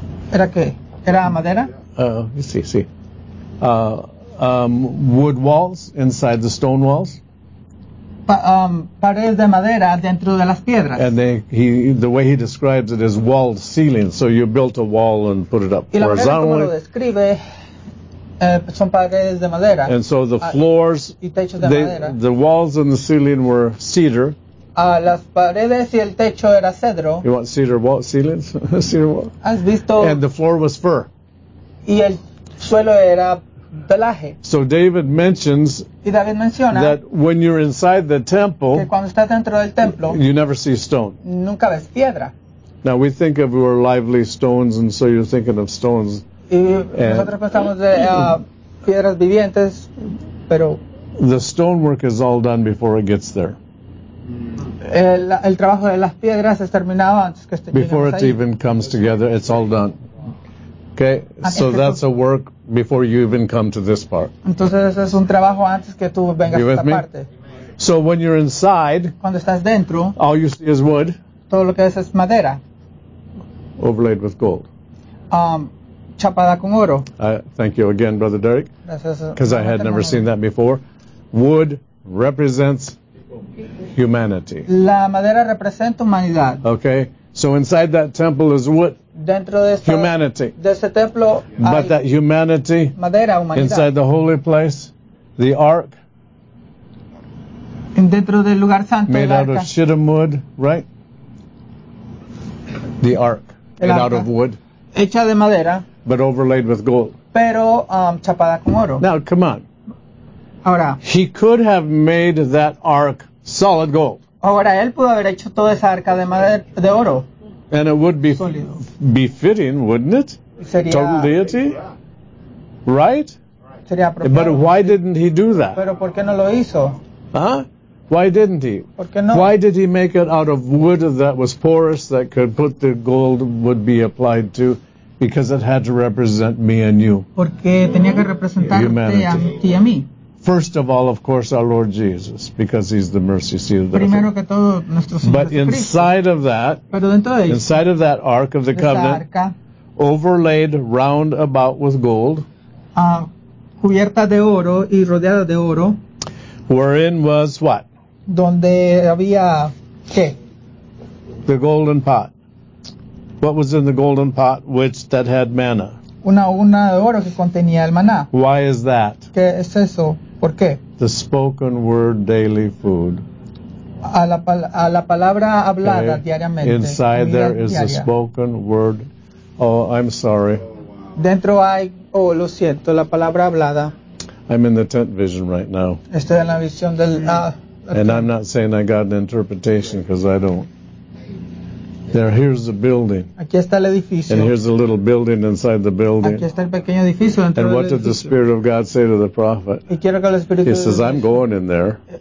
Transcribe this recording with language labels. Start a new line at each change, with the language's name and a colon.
Spanish: ¿Era qué? ¿Era madera?
English: Sí. Wood walls inside the stone walls.
Spanish: Paredes de madera dentro de las piedras.
English: And the way he describes it is walled ceiling. So you built a wall and put it up horizontally.
Spanish: Y la manera como lo describe, son paredes de madera.
English: And so the floors, the walls and the ceiling were cedar.
Spanish: Las paredes y el techo era cedro.
English: You want cedar wall ceilings? Cedar wall.
Spanish: Has visto.
English: And the floor was fir.
Spanish: Y el suelo era pelaje.
English: So David mentions
Spanish: David
English: that when you're inside the temple,
Spanish: que cuando estás dentro del templo,
English: you never see stone.
Spanish: Nunca ves piedra.
English: Now we think of your lively stones, and so you're thinking of stones.
Spanish: Y nosotros pensamos de piedras vivientes, pero
English: the stonework is all done before it gets there.
Spanish: El trabajo de las piedras es terminado antes que esté.
English: Before
Spanish: ahí.
English: It even comes together, it's all done. Okay, so that's a work before you even come to this part.
Spanish: Entonces es un trabajo antes que tú vengas a esta
English: me?
Spanish: Parte.
English: So when you're inside,
Spanish: cuando estás dentro,
English: all you see is wood.
Spanish: Todo lo que es madera.
English: Overlaid with gold.
Spanish: Chapada con oro.
English: Thank you again, Brother Derek. Because I had never seen that before. Wood represents humanity.
Spanish: La madera representa humanidad.
English: Okay, so inside that temple is wood.
Spanish: Dentro de esta,
English: humanity.
Spanish: De este templo,
English: but that humanity
Spanish: madera, humanidad.
English: Inside the holy place, the ark,
Spanish: dentro del lugar santo,
English: made
Spanish: el
English: out
Spanish: arca.
English: Of shittim wood, right? The ark. and out of wood.
Spanish: Hecha de madera.
English: But overlaid with gold.
Spanish: Pero chapada con oro.
English: Now, come on.
Spanish: Ahora.
English: He could have made that ark solid gold.
Spanish: Ahora, él pudo haber hecho toda esa arca de madera, de oro.
English: And it would be befitting, wouldn't it?
Spanish: Sería,
English: total deity? Right?
Spanish: Sería apropiado.
English: But why didn't he do that?
Spanish: Pero ¿por qué no lo hizo?
English: Huh? Why didn't he?
Spanish: ¿Por qué no?
English: Why did he make it out of wood that was porous that could put the gold would be applied to? Because it had to represent me and you.
Spanish: Porque tenía que representarte humanity. A mí.
English: First of all, of course, our Lord Jesus, because he's the mercy seat of the
Spanish: Primero que todo, nuestro Señor
English: But inside of that,
Spanish: Pero dentro de
English: inside of that Ark of the Covenant,
Spanish: arca,
English: overlaid round about with gold,
Spanish: cubierta de oro y rodeada de oro,
English: wherein was what?
Spanish: Donde había, ¿qué?
English: The golden pot. What was in the golden pot which that had manna?
Spanish: Una urna de oro que contenía el maná.
English: Why is that?
Spanish: ¿Qué es eso? ¿Por qué?
English: The spoken word daily food.
Spanish: A la palabra hablada, okay. Diariamente.
English: Inside there is
Spanish: diaria.
English: A spoken word. Oh, I'm sorry.
Spanish: Dentro hay, oh, lo siento, la palabra hablada.
English: I'm in the tent vision right now.
Spanish: Estoy en la visión del,
English: And I'm not saying I got an interpretation because I don't. There, here's the building.
Spanish: Aquí está el edificio.
English: And here's a little building inside the building.
Spanish: Aquí está el pequeño edificio dentro
English: And
Spanish: del
English: what
Spanish: edificio.
English: Did the Spirit of God say to the prophet?
Spanish: Y quiero que el Espíritu
English: He says, I'm going in there.